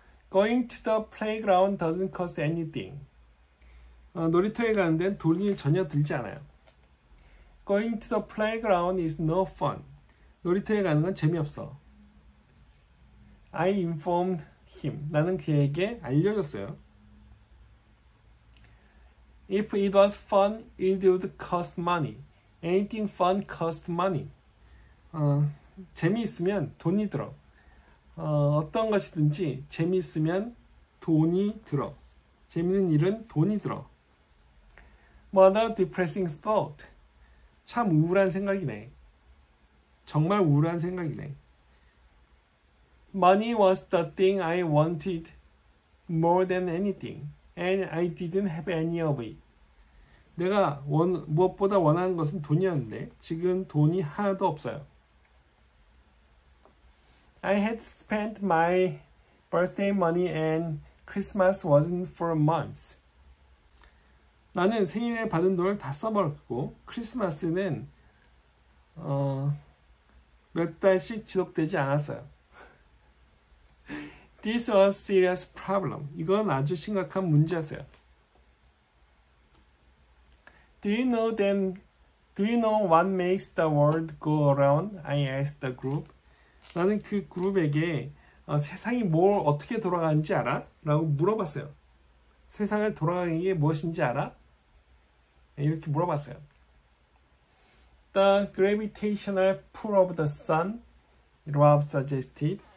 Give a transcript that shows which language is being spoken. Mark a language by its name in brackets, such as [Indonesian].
[English] Going to the playground doesn't cost anything. [Korean] 놀이터에 가는 데는 돈이 전혀 들지 않아요. [English] Going to the playground is no fun. [Korean] 놀이터에 가는 건 재미없어. [English] I informed him. [Korean] 나는 그에게 알려줬어요. [English] If it was fun, it would cost money. Anything fun costs money. [Korean] 재미있으면 돈이 들어. 어떤 것이든지 재미있으면 돈이 들어. 재미있는 일은 돈이 들어. [English] What a depressing thought. [Korean] 참 우울한 생각이네. 정말 우울한 생각이네. [English] Money was the thing I wanted more than anything, and I didn't have any of it. [Korean] 내가 무엇보다 원하는 것은 돈이었는데 지금 돈이 하나도 없어요. [English] I had spent my birthday money and Christmas wasn't for months. [Korean] 나는 생일에 받은 돈을 다 써버렸고 크리스마스는 몇 달씩 지속되지 않았어요. [English] This was a serious problem. [Korean] 이건 아주 심각한 문제였어요. [English] Do you know that Do you know what makes the world go around? I asked the group. [Korean] 나는 그 그룹에게 세상이 뭘 어떻게 돌아가는지 알아? 라고 물어봤어요. 세상을 돌아가는 게 무엇인지 알아? 이렇게 물어봤어요. [English] The gravitational pull of the sun, Rob suggested.